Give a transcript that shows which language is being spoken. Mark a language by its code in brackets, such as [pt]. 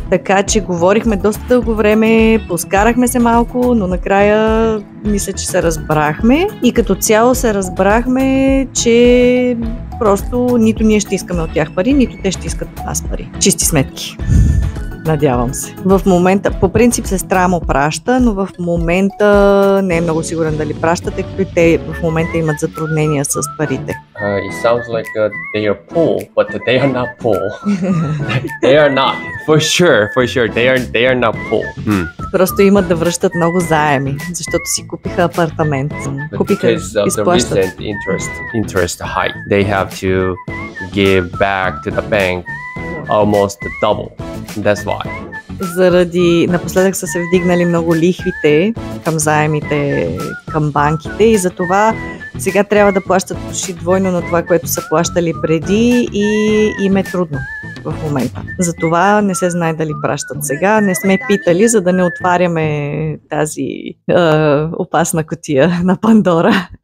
[bg] Така че говорихме доста дълго време, поскарахме се малко, но накрая мисля, че се разбрахме и като цяло се разбрахме, че просто нито ние ще искаме от тях пари, нито те ще искат от нас пари. Чисти сметки. Надявам се. В момента, по принцип сестра му праща, но в момента не е много сигурен дали праща, тъй като те в момента имат затруднения с парите. [en] It sounds like they are poor, but they are not poor. They are not. For sure. They are not poor. Hmm. [bg] Просто имат да връщат много заеми, защото си купиха апартамент. Купиха, изплащат. [en] Because of the recent interest hike, they have to give back to the bank almost double. That's why. [bg] Заради напоследък са се вдигнали много лихвите към заемите, към банките и затова сега трябва да плащат почти двойно на това, което са плащали преди и им е трудно в момента. Затова не се знае дали пращат сега. Не сме питали, за да не отваряме тази опасна кутия на Пандора.